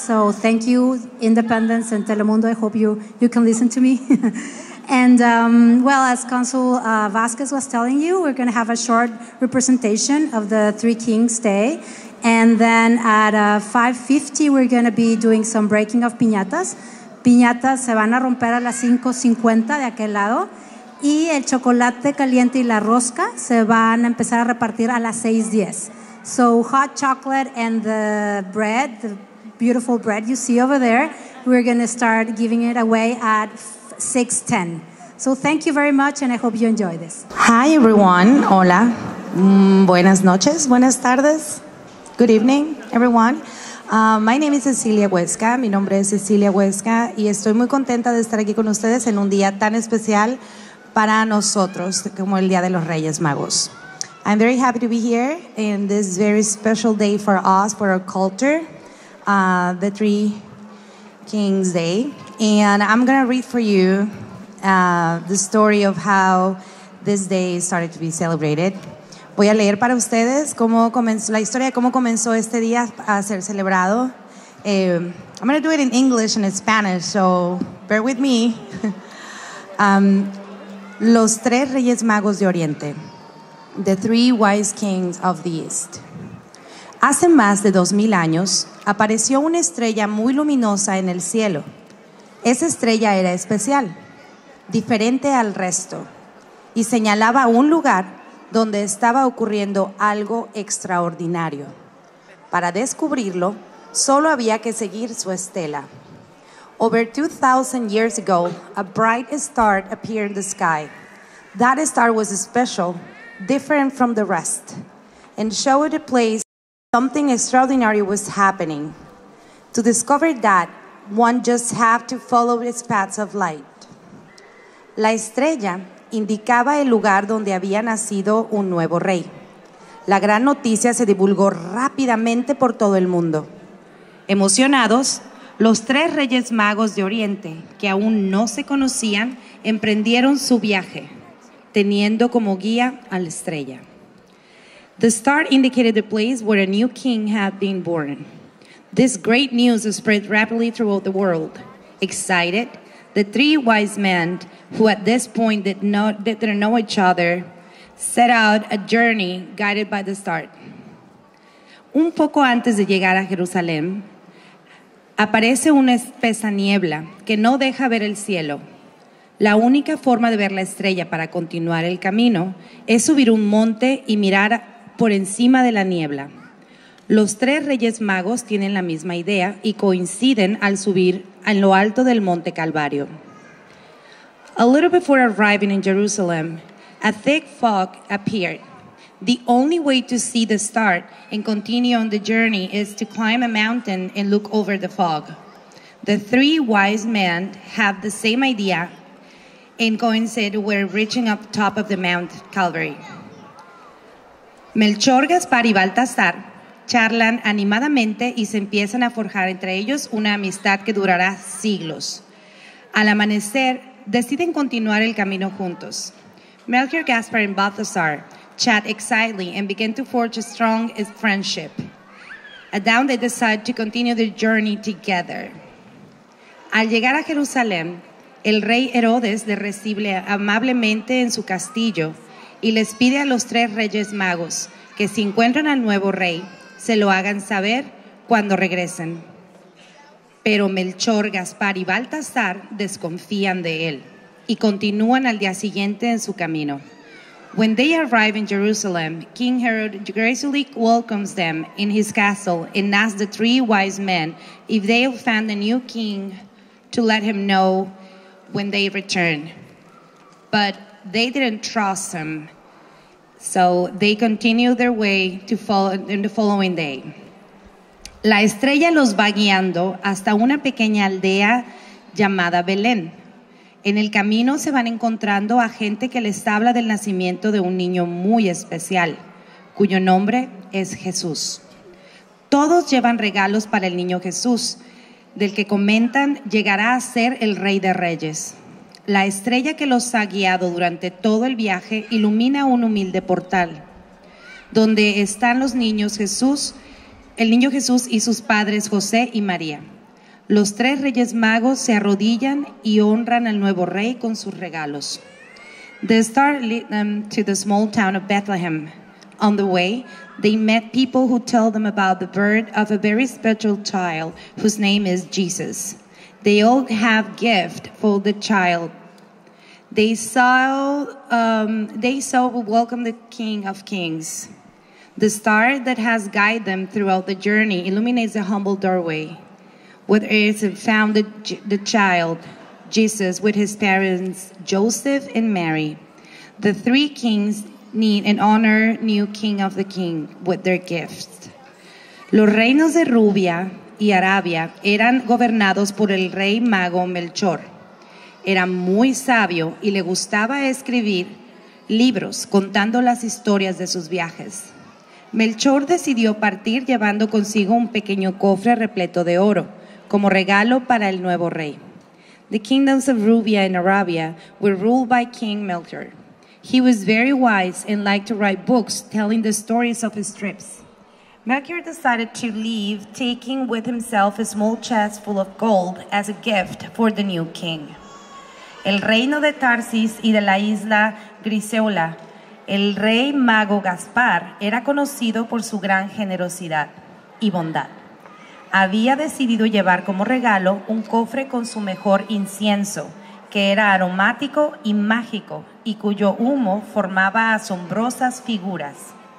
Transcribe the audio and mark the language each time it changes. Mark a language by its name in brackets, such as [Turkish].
[English] So thank you, Independence and Telemundo. I hope you can listen to me. And, well, as Consul Vázquez was telling you, we're going to have a short representation of the Three Kings Day. And then at 5:50, we're going to be doing some breaking of piñatas. [Spanish] Piñatas se van a romper a las 5:50 de aquel lado. Y el chocolate caliente y la rosca se van a empezar a repartir a las 6:10. [English] So hot chocolate and the bread, the beautiful bread you see over there, we're going to start giving it away at 6:10. So thank you very much, and I hope you enjoy this. Hi, everyone. [Spanish] Hola. Buenas noches. Buenas tardes. [English] Good evening, everyone. My name is Cecilia Huesca. [Spanish] Mi nombre es Cecilia Huesca. Y estoy muy contenta de estar aquí con ustedes en un día tan especial para nosotros, como el Día de los Reyes Magos. [English] I'm very happy to be here in this very special day for us, for our culture, the Three Kings Day. And I'm going to read for you the story of how this day started to be celebrated. [Spanish] Voy a leer para ustedes cómo comenzó, la historia de cómo comenzó este día a ser celebrado. [English] I'm going to do it in English and in Spanish, so bear with me. [Spanish] Los tres reyes magos de Oriente. [English] The three wise kings of the East. [Spanish] Hace más de 2,000 años, apareció una estrella muy luminosa en el cielo. Esa estrella era especial. diferente al resto, y señalaba un lugar donde estaba ocurriendo algo extraordinario. Para descubrirlo, solo había que seguir su estela. [English] Over 2,000 years ago, a bright star appeared in the sky. That star was special, different from the rest, and showed a place something extraordinary was happening. To discover that, one just have to follow its paths of light. [Spanish] La estrella indicaba el lugar donde había nacido un nuevo rey. La gran noticia se divulgó rápidamente por todo el mundo. Emocionados, los tres reyes magos de Oriente, que aún no se conocían, emprendieron su viaje, teniendo como guía a la estrella. [English] The star indicated the place where a new king had been born. This great news spread rapidly throughout the world. Excited, the three wise men, who at this point didn't know each other, set out a journey guided by the star. [Spanish] Un poco antes de llegar a Jerusalén, aparece una espesa niebla que no deja ver el cielo. La única forma de ver la estrella para continuar el camino es subir un monte y mirar por encima de la niebla. Los tres reyes magos tienen la misma idea y coinciden al subir en lo alto del Monte Calvario. [English] A little before arriving in Jerusalem, a thick fog appeared. The only way to see the star and continue on the journey is to climb a mountain and look over the fog. The three wise men have the same idea and coincide with reaching up top of the Mount Calvary. [Spanish] Melchor, Gaspar y Baltasar charlan animadamente y se empiezan a forjar entre ellos una amistad que durará siglos. Al amanecer, deciden continuar el camino juntos. [English] Melchor, Gaspar, and Baltasar chat excitedly and begin to forge a strong friendship. At dawn, they decide to continue the journey together. [Spanish] Al llegar a Jerusalén, el rey Herodes le recibe amablemente en su castillo y les pide a los tres reyes magos que si encuentran al nuevo rey, se lo hagan saber cuando regresen. Pero Melchor, Gaspar y Baltasar desconfían de él y continúan al día siguiente en su camino. [English] When they arrive in Jerusalem, King Herod graciously welcomes them in his castle and asks the three wise men if they'll find the new king to let him know when they return. But they didn't trust him, so they continue their way to follow in the following day. [Spanish] La estrella los va guiando hasta una pequeña aldea llamada Belén. En el camino se van encontrando a gente que les habla del nacimiento de un niño muy especial, cuyo nombre es Jesús. Todos llevan regalos para el niño Jesús, del que comentan llegará a ser el Rey de Reyes. La estrella que los ha guiado durante todo el viaje ilumina un humilde portal, donde están los niños Jesús, el niño Jesús y sus padres José y María. Los tres reyes magos se arrodillan y honran al nuevo rey con sus regalos. [English] The star led them to the small town of Bethlehem. On the way, they met people who tell them about the birth of a very special child whose name is Jesus. They all have gift for the child. They welcome the King of Kings. The star that has guided them throughout the journey illuminates a humble doorway. Whether it's found the child, Jesus, with his parents, Joseph and Mary. The three kings need an honor new king of the king with their gifts. [Spanish] Los reinos de Rubia y Arabia eran gobernados por el rey mago Melchor. Era muy sabio y le gustaba escribir libros contando las historias de sus viajes. Melchor decidió partir llevando consigo un pequeño cofre repleto de oro, como regalo para el nuevo rey. [English] The kingdoms of Rubia and Arabia were ruled by King Melchor. He was very wise and liked to write books telling the stories of his trips. Melchor decided to leave, taking with himself a small chest full of gold as a gift for the new king. [Spanish] El reino de Tarsis y de la isla Grisola, el rey mago Gaspar era conocido por su gran generosidad y bondad. Había decidido llevar como regalo un cofre con su mejor incienso que era aromático y mágico y cuyo humo formaba asombrosas figuras.